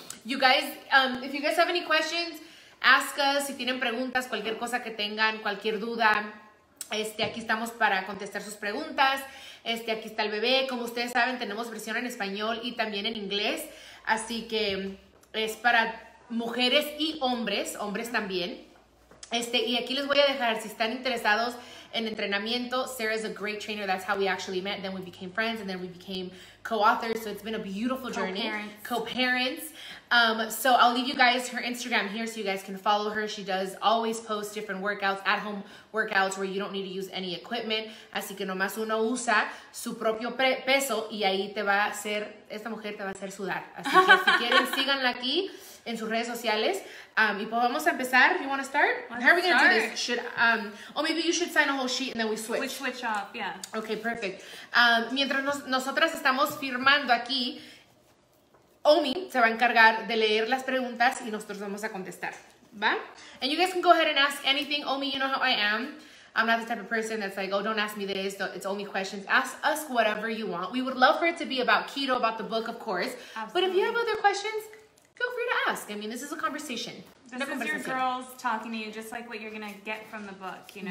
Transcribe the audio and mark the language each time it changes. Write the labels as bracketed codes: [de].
[en] You guys, if you guys have any questions, ask us. [es] Si tienen preguntas, cualquier cosa que tengan, cualquier duda. Aquí estamos para contestar sus preguntas. Aquí está el bebé. Como ustedes saben, tenemos versión en español y también en inglés. Así que es para mujeres y hombres. Hombres también. Y aquí les voy a dejar, si están interesados en entrenamiento, [en] Sarah is a great trainer. That's how we actually met. Then we became friends and then we became co-authors. So it's been a beautiful journey. Co-parents. So I'll leave you guys her Instagram here so you guys can follow her. She does always post different workouts, at-home workouts where you don't need to use any equipment. [es] Así que nomás uno usa su propio peso y ahí te va a hacer, esta mujer te va a hacer sudar. Así que si quieren, síganla aquí en sus redes sociales. Y pues vamos a empezar. [en] You want to start? Let's How are we going to do this? Or maybe you should sign a whole sheet and then we switch. We switch off, yeah. Okay, perfect. [es] Mientras nosotras estamos firmando aquí, Omi se va a encargar de leer las preguntas y nosotros vamos a contestar, ¿va? [en] And you guys can go ahead and ask anything. Omi, you know how I am. I'm not the type of person that's like, oh, don't ask me this. It's only questions. Ask us whatever you want. We would love for it to be about keto, about the book, of course. Absolutely. But if you have other questions, feel free to ask. I mean, this is a conversation. This is your girls talking to you, just like what you're going to get from the book, you know?